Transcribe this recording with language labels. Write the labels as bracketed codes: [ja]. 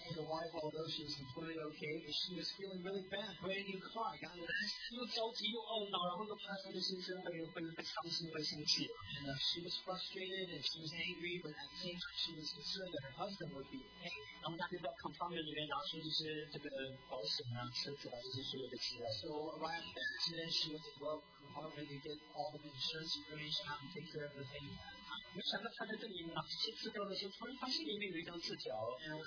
[en] The wife, although she was completely okay, but she was feeling really bad. Brand new car, got it. [zh] 又着急又懊恼，然后又怕她的先生会伤心会生气。 [en] And she was frustrated and she was angry, but at the same time she was concerned that her husband would be angry. [zh] 然后她就在compartment里面拿出就是这个保险啊、车子啊这些所有的资料。 [en] So right after the accident, she went to the glove compartment to get all of the insurance information out and take care of the thing. [zh] 没想到他在这里拿这些资料的时候，突然发现里面有一张字条。 [en] And